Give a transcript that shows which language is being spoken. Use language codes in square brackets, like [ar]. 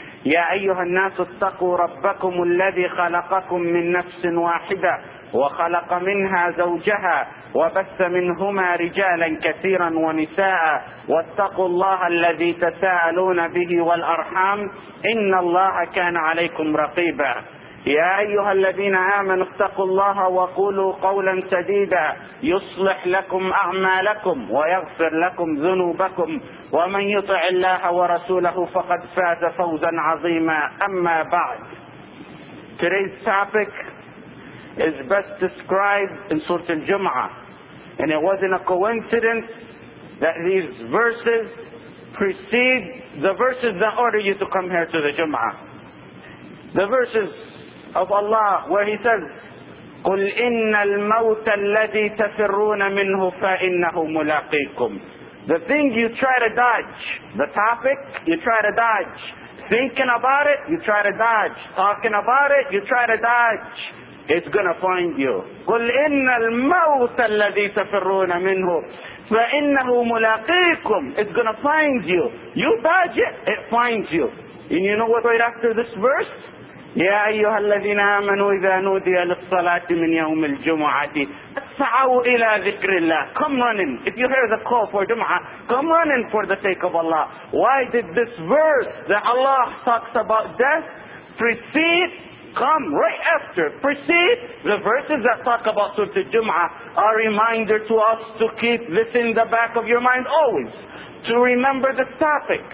[ar] يا أيها الناس اتقوا ربكم الذي خلقكم من نفس واحدة وخلق منها زوجها وبث منهما رجالا كثيرا ونساء، واتقوا الله الذي تساءلون به والأرحام، إن الله كان عليكم رقيبا. يا أيها الذين آمنوا اتقوا الله وقولوا قولا سديدا يصلح لكم أعمالكم ويغفر لكم ذنوبكم، ومن يطع الله ورسوله فقد فاز فوزا عظيما. أما بعد، [en] today's topic is best described in Surah Al-Jum'ah. And it wasn't a coincidence that these verses precede the verses that order you to come here to the Jum'ah. The verses of Allah where He says, [ar] قُلْ إِنَّ الْمَوْتَ الَّذِي تَفِرُّونَ مِنْهُ فَإِنَّهُ مُلَاقِيكُمْ. [en] The thing you try to dodge, the topic you try to dodge, thinking about it, you try to dodge, talking about it, you try to dodge, it's gonna find you. [ar] قُلْ إِنَّ الْمَوْتَ الَّذِي تَفِرُّونَ مِنْهُ فَإِنَّهُ مُلَاقِيكُمْ. [en] It's gonna find you. You dodge it, it finds you. And you know what right after this verse? [ar] يا أيها الذين آمنوا إذا نودي للصلاة من يوم الجمعة اسعوا إلى ذكر الله. [en] Come running. If you hear the call for Jum'ah, come running for the sake of Allah. Why did this verse that Allah talks about death precede, come right after, precede the verses that talk about Surah Al-Jum'ah? A reminder to us to keep this in the back of your mind always, to remember this topic.